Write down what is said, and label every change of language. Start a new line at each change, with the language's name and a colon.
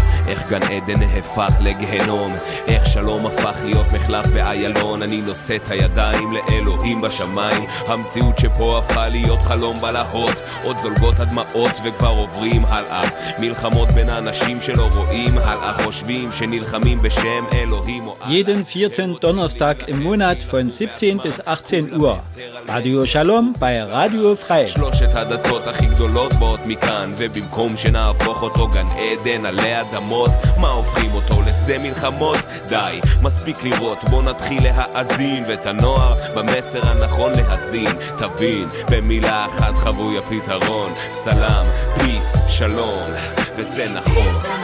Hebrew: איך גן עדן הפך לגהנום, איך שלום הפך להיות מחלף ואיילון. אני נושא את הידיים לאלוהים בשמיים, המציאות שפה הפכה להיות חלום בלהות. עוד זולגות הדמעות וכבר עוברים הלאה, מלחמות בין האנשים שלא רואים הלאה, חושבים שנלחמים בשם אלוהים.
German: Jeden vierten Donnerstag im Monat von 17 bis 18 Uhr Radio Shalom bei Radio Frei.
Hebrew: שלושת הדתות הכי גדולות באות מכאן, ובמקום שנהפוך אותו גן עדן עלי אדמות, מה הופכים אותו לשדה מלחמות? די, מספיק לראות, בוא נתחיל להאזין, ואת הנוער במסר הנכון להזין. תבין, במילה אחת חבוי הפתרון, סלאם, פיס, שלום, וזה נכון.